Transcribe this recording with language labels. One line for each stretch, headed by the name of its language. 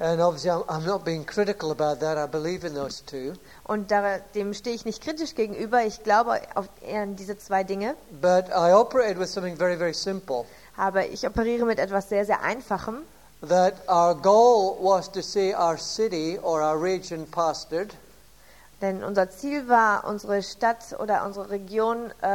English: And obviously I'm not being critical about that. I believe in those two.
German: Und dem stehe ich nicht kritisch gegenüber. Ich glaube an diese zwei Dinge.
English: But I operate with something very, very simple.
German: Aber ich operiere mit etwas sehr, sehr Einfachem.
English: That our goal was to see our city or our region pastored.
German: Denn unser Ziel war, unsere Stadt oder unsere Region